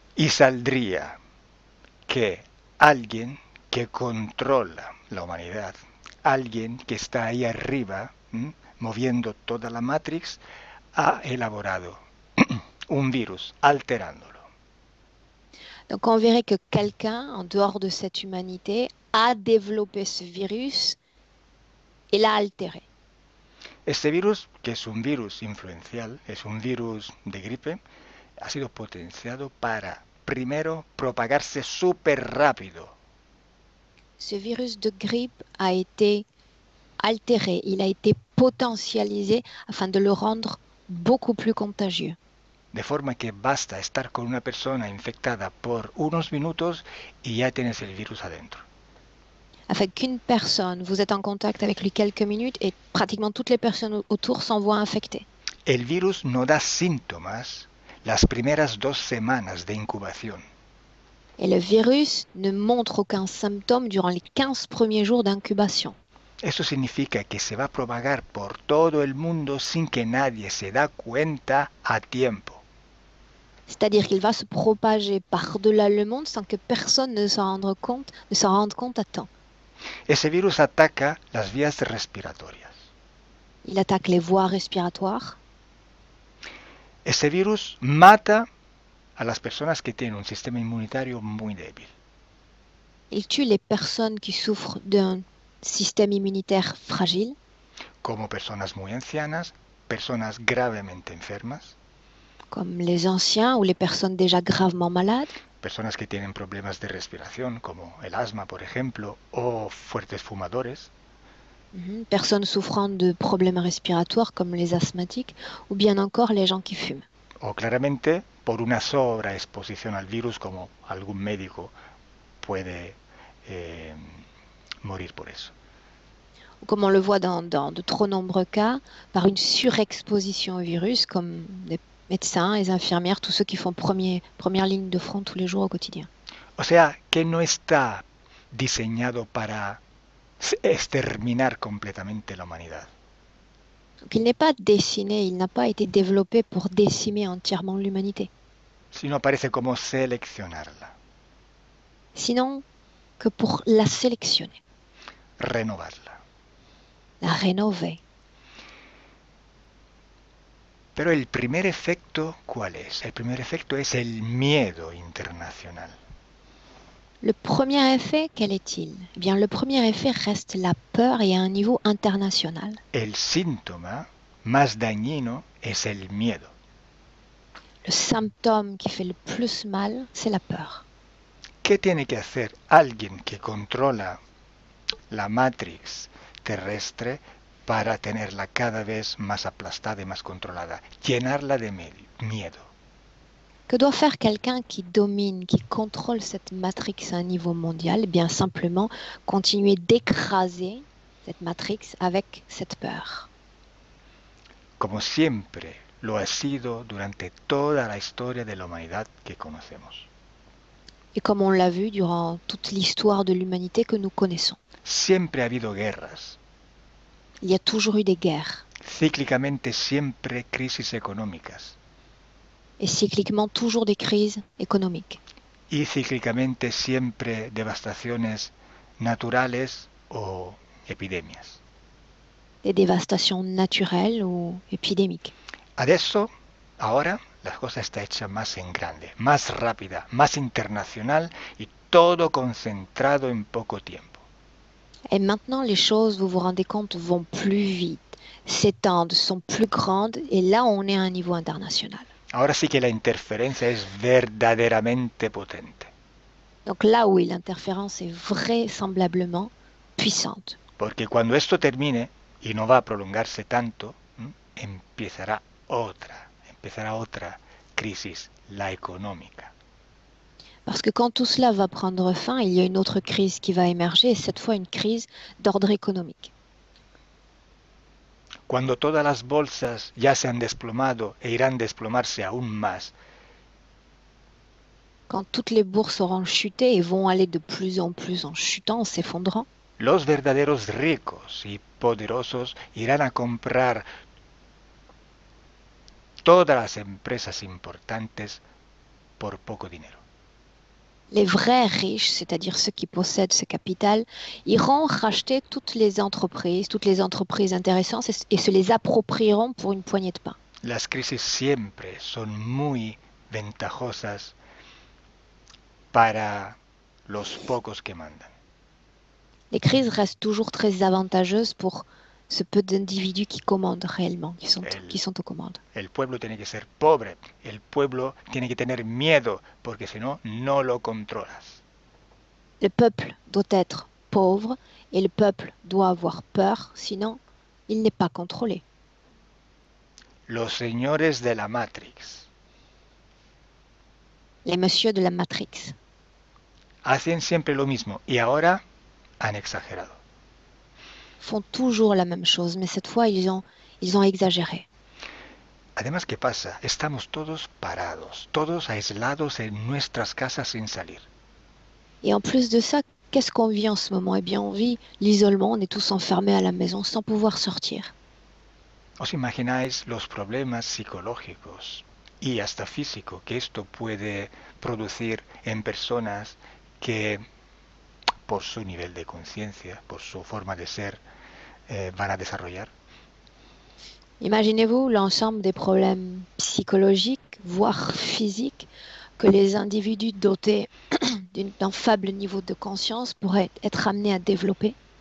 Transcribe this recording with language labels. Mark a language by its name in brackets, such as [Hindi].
[Spanish] Y saldría que alguien que controla la humanidad, alguien que está ahí arriba, moviendo toda la Matrix, ha elaborado un virus alterándolo. [French] Donc on verrait que quelqu'un en dehors de cette humanité a développé ce virus et l'a altéré. [Spanish] Este virus, que es un virus influencial, es un virus de gripe, ha sido potenciado para, primero, propagarse súper rápido. [French] Ce virus de grippe a été altéré, il a été potentialisé afin de le rendre beaucoup plus contagieux. [Spanish] De forma que basta estar con una persona infectada por unos minutos y ya tienes el virus adentro. [French] Afin qu'une personne, vous êtes en contact avec lui quelques minutes et pratiquement toutes les personnes autour s'en voient infectées. [Spanish] El virus no da síntomas las primeras 2 semanas de incubación. [French] Et le virus ne montre aucun symptôme durant les 15 premiers jours d'incubation. [Spanish] Eso significa que se va a propagar por todo el mundo sin que nadie se da cuenta a tiempo. [French] C'est-à-dire qu'il va se propager par-delà le monde sans que personne ne s'en rende compte à temps. [Spanish] Ese virus ataca las vías respiratorias. [French] Il attaque les voies respiratoires. [Spanish] Ese virus mata a las personas que tienen un sistema inmunitario muy débil. [French] Il tue les personnes qui souffrent d'un système immunitaire fragile. [Spanish] Como personas muy ancianas, personas gravemente enfermas, [French] Comme les anciens ou les personnes déjà gravement malades. [Spanish] personas que tienen problemas de respiración, como el asma, por ejemplo, o fuertes fumadores. [French] Personnes souffrant de problèmes respiratoires comme les asthmatiques ou bien encore les gens qui fument. [Spanish] O claramente por una sobreexposición al virus, como algún médico puede morir por eso. [French] Ou comme on le voit dans de trop nombreux cas, par une surexposition au virus comme les médecins, les infirmières, tous ceux qui font première ligne de front tous les jours au quotidien. [Spanish] O sea, que no está diseñado para exterminar completamente la humanidad. [French] Donc, il n'est pas dessiné, il n'a pas été développé pour décimer entièrement l'humanité. [Spanish] Sino aparece como seleccionarla. [French] Sinon que pour la sélectionner, [Spanish] Renovarla. [French] la rénover. [Spanish] Pero el primer efecto, ¿cuál es? El primer efecto es el miedo internacional. [French] Le premier effet, quel est-il? Eh bien, le premier effet reste la peur et à un niveau international. [Spanish] El síntoma más dañino es el miedo. [French] Le symptôme qui fait le plus mal, c'est la peur. [Spanish] ¿Qué tiene que hacer alguien que controla la matrix terrestre para tenerla cada vez más aplastada y más controlada? Llenarla de miedo. [French] Que doit faire quelqu'un qui domine, qui contrôle cette matrix à un niveau mondial? Eh bien, simplement continuer d'écraser cette matrix avec cette peur. [Spanish] Como siempre lo ha sido durante toda la historia de la humanidad que conocemos. [French] Et comme on l'a vu durant toute l'histoire de l'humanité que nous connaissons. [Spanish] Siempre ha habido guerras. [French] Il y a toujours eu des guerres. [Spanish] Cíclicamente siempre crisis económicas. [French] Et cycliquement, toujours des crises économiques. [Spanish] Y cíclicamente siempre devastaciones naturales o epidemias. [French] Des dévastations naturelles ou épidémiques. [Spanish] Adesso, ahora, la cosa está hecha más en grande, más rápida, más internacional y todo concentrado en poco tiempo. [French] Et maintenant, les choses, vous vous rendez compte, vont plus vite, s'étendent, sont plus grandes, et là, on est à un niveau international. [Spanish] Ahora sí que la interferencia es verdaderamente potente. [French] Donc là, oui, l'interférence est vraisemblablement puissante. [Spanish] Porque cuando esto termine y no va a prolongarse tanto, empezará otra crisis, la económica. [French] Parce que quand tout cela va prendre fin, il y a une autre crise qui va émerger, et cette fois une crise d'ordre économique. [Spanish] Cuando todas las bolsas ya se han desplomado e irán desplomarse aún más. [French] Quand toutes les bourses auront chuté et vont aller de plus en plus en chutant, en s'effondrant. [Spanish] Los verdaderos ricos y poderosos irán a comprar todas las empresas importantes por poco dinero. [French] Les vrais riches, c'est-à-dire ceux qui possèdent ce capital, iront racheter toutes les entreprises intéressantes et se les approprieront pour une poignée de pain. [Spanish] Las crisis siempre son muy ventajosas para los pocos que mandan. [French] Les crises restent toujours très avantageuses pour ce peu d'individus qui commandent réellement, qui sont aux commandes. [Spanish] El pueblo tiene que ser pobre. El pueblo tiene que tener miedo, porque si no, no lo controlas. [French] Le peuple doit être pauvre et le peuple doit avoir peur, sinon il n'est pas contrôlé. [Spanish] Los señores de la Matrix. [French] Les messieurs de la Matrix. [Spanish] Hacen siempre lo mismo y ahora han exagerado. [French] Font toujours la même chose, mais cette fois ils ont exagéré. [Spanish] Además, ¿qué pasa? Estamos todos parados, todos aislados en nuestras casas sin salir. [French] Et en plus de ça, qu'est-ce qu'on vit en ce moment? Eh bien, on vit l'isolement, on est tous enfermés à la maison sans pouvoir sortir. [Spanish] ¿Os imagináis los problemas psicológicos y hasta físicos que esto puede producir en personas que por su nivel de conciencia, por su forma de ser, van a desarrollar? [French] Imaginez-vous l'ensemble des problèmes psychologiques, voire physiques, que les individus dotés d'un faible niveau de conscience pourraient être amenés à développer?